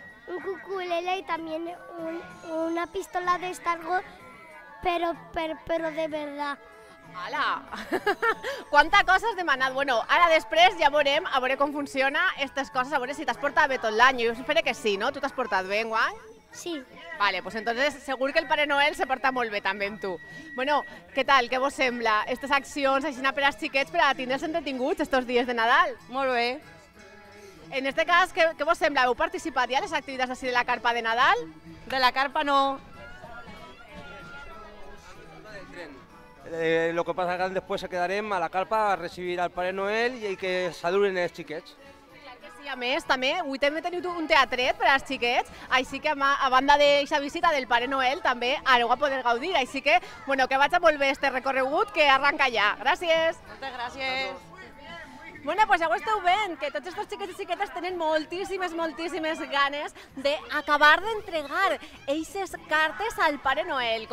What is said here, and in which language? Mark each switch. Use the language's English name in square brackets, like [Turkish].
[Spanish] un cuculele y también una pistola de Star Wars, pero de verdad. ¡Hala! ¿Cuánta cosa [Catalan] has demanat? Bueno, ara després ja veurem a veure com funciona aquestes coses, a veure si t'has portat bé tot l'any. Jo espero que sí, no? Tu t'has portat bé, enguany? Sí. [Spanish] Vale, pues entonces [Catalan] segur que el Pare Noel se porta molt bé també amb tu. Bueno, què tal, què vos sembla? Estes accions així per als xiquets per a tindre'ls entretinguts estos dies de Nadal. Molt bé. En este cas, què vos sembla? Heu participat ja a les activitats així de la carpa de Nadal? De la carpa no. [Spanish] Lo que pasa es que después se quedarem a la carpa a recibir al Pare Noel [Catalan] i que saluden els xiquets. I a més, també, avui també teniu un teatret per als xiquets, així que a banda d'aquesta visita del Pare Noel, també ara ho va poder gaudir, així que, bueno, que vagi molt bé este recorregut, que arranca ja. Gràcies. Moltes gràcies. Bueno, pues ja ho esteu veient, que tots aquests xiquets i xiquetes tenen moltíssimes, moltíssimes ganes d'acabar d'entregar aquestes cartes al Pare Noel.